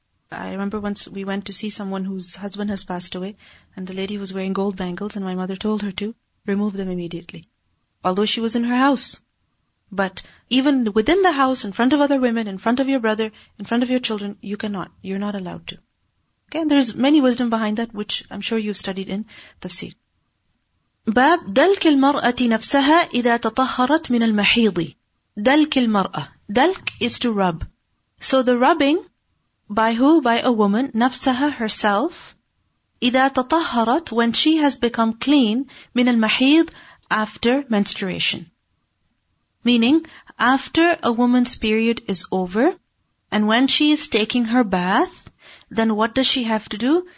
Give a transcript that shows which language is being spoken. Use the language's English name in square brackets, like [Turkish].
[English] I remember once we went to see someone whose husband has passed away, and the lady was wearing gold bangles, and my mother told her to remove them immediately. Although she was in her house. But even within the house, in front of other women, in front of your brother, in front of your children, you cannot. You're not allowed to. Okay, and there's many wisdom behind that, which I'm sure you've studied in tafsir. [Arabic] باب دلك المرأة نفسها إذا تطهرت من المحيض. دلك المرأة. [English] دلك is to rub. So the rubbing, by who? By a woman, [Arabic] نفسها, [English] herself, [Arabic] إذا تطهرت, [English] when she has become clean, [Arabic] من المحيض, [English] after menstruation. Meaning, after a woman's period is over, and when she is taking her bath, then what does she have to do?